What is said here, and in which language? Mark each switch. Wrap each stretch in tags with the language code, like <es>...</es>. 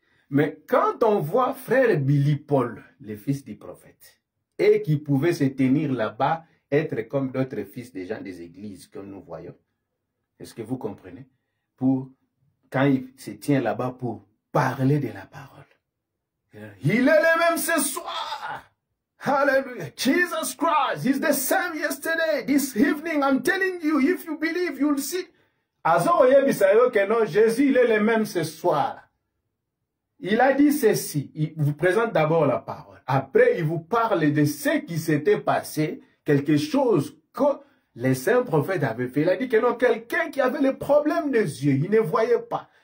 <fr>Mais quand on voit frère Billy Paul, le fils du prophète, et qui pouvait se tenir là-bas, être comme d'autres fils des gens des églises que nous voyons, est-ce que vous comprenez? Pour, quand il se tient là-bas pour parler de la parole. Il est le même ce soir. Hallelujah.</fr> <en>Jesus Christ is the same yesterday, this evening. I'm telling you, if you believe, you'll see.</en> <ln>Azor Yebisayo</ln> <fr>que non, Jésus, il est le même ce soir. Il a dit ceci. Il vous présente d'abord la parole. Après, il vous parle de ce qui s'était passé, quelque chose que les saints prophètes avaient fait. Il a dit que non, quelqu'un qui avait le problème des yeux, il ne voyait pas.</fr>